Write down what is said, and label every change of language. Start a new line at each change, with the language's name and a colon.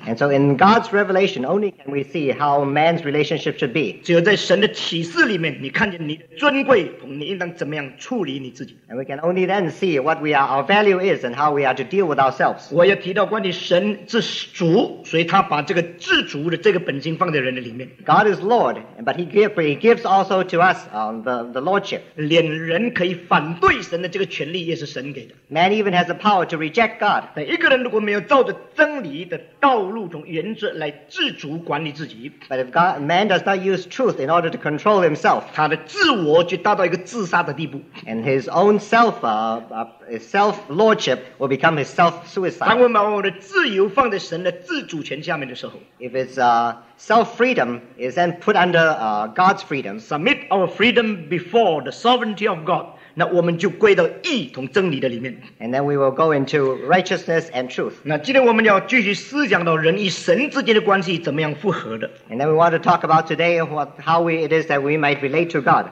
English: And so in God's revelation, only can we see how man's relationship should be.
Chinese: 只有在神的启示里面，你看见你的尊贵，你应当怎么样处理你自己。
English: And we can only then see what we are, our value is, and how we are to deal with ourselves.
Chinese: 我也提到关于神之主，所以他把这个至主的这个本性放在人的里面。
English: God is Lord, but he gives also to us the lordship.
Chinese: 连人可以反对神的这个权利，也是神给的。
English: Man even has the power to reject God.
Chinese: 每一个人如果没有照着真理的道路中原则来自主管理自己，
English: but if God, man does not use truth in order to control himself,
Chinese: 他的自我就达到一个自杀的地步，
English: and his own self, his self-lordship will become his self-suicide.
Chinese: 当我们把我的自由放在神的自主权下面的时候，
English: if it's self-freedom is then put under God's freedom, submit our freedom before the sovereignty of God.
Chinese: 那我们就归到义同真理的里面。
English: And then we will go into righteousness and truth.
Chinese: 那今天我们要继续思想到人与神之间的关系怎么样复合的。
English: And then we want to talk about today how it is that we might relate to God.